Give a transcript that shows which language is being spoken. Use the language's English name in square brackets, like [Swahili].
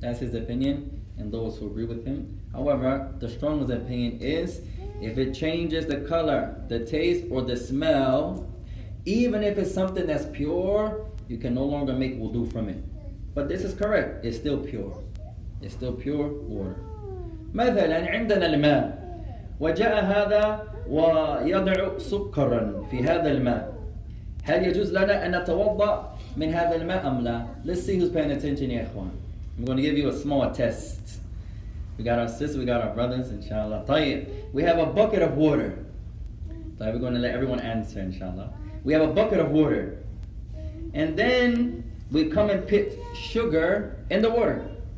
[English] That's his opinion, and those who agree with him. However, the strongest opinion is, if it changes the color, the taste, or the smell, even if it's something that's pure, you can no longer make wudu from it. But this is correct. It's still pure. It's still pure water. [Arabic] مثلاً عندنا الماء وجاء هذا ويضع سكراً في هذا الماء هل يجوز لنا أن نتوضأ من هذا الماء أم لا? [English] Let's see who's paying attention, [Arabic] يا إخوان. [English] I'm going to give you a small test. We got our sisters, we got our brothers, inshallah. طيب, we have a bucket of water. طيب, we're going to let everyone answer, inshallah. We have a bucket of water. And then we come and put sugar in the water.